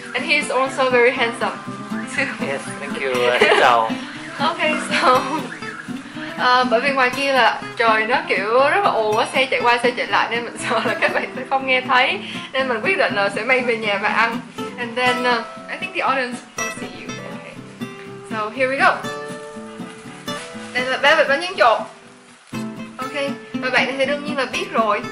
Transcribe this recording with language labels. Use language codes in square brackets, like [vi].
[en] And he is also very handsome too. Yes, thank you. Chào. [vi] Okay, so bởi vì ngoài kia là trời nó kiểu rất là ồn, xe chạy qua xe chạy lại nên mình sợ là các bạn sẽ không nghe thấy, nên mình quyết định là sẽ mang về nhà và ăn. [en] And then I think the audience will see you. Okay. So here we go. [vi] Đây là ba vịt bánh tráng trộn. Okay, và bạn này thì đương nhiên là biết rồi.